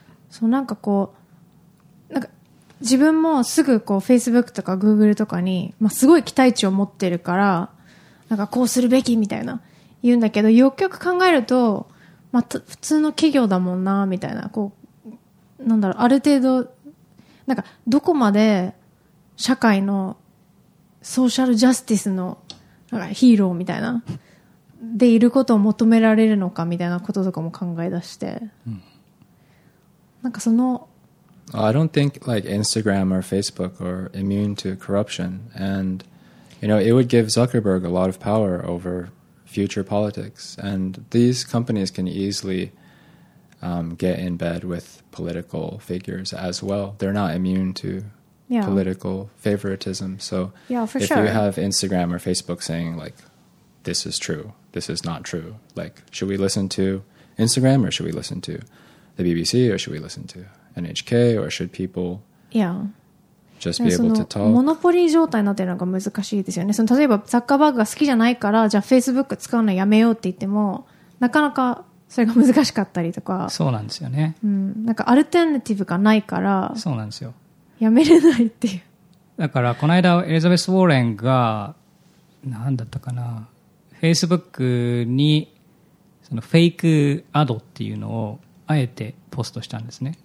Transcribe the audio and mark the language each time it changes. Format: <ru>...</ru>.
<ja>そう、なんかこう、自分もすぐこう Facebook とか Google とかに、まあ、すごい期待値を持ってるから、なんかこうするべきみたいな言うんだけど、よくよく考えると、まあ、普通の企業だもんな、みたいな、こう、なんだろう、ある程度、なんかどこまで社会のソーシャルジャスティスのなんかヒーローみたいな、でいることを求められるのかみたいなこととかも考え出して、なんかその、</ja> <en>I don't think like Instagram or Facebook are immune to corruption, and you know it would give Zuckerberg a lot of power over future politics. And these companies can easily get in bed with political figures as well. They're not immune to political favoritism. So if you have Instagram or Facebook saying like this is true, this is not true, like should we listen to Instagram or should we listen to the BBC or should we listen to NHK or should people just be able to talk?</en> <ja>モノポリ状態になってるのが難しいですよね。その例えばザッカーバーグが好きじゃないから、じゃあ Facebook 使うのやめようって言ってもなかなかそれが難しかったりとか。そうなんですよね、なんかアルテナティブがないから。そうなんですよ、やめれないっていう。だからこの間エリザベス・ウォーレンが何だったかな、 Facebook にそのフェイクアドっていうのをあえてポストしたんですね。</ja>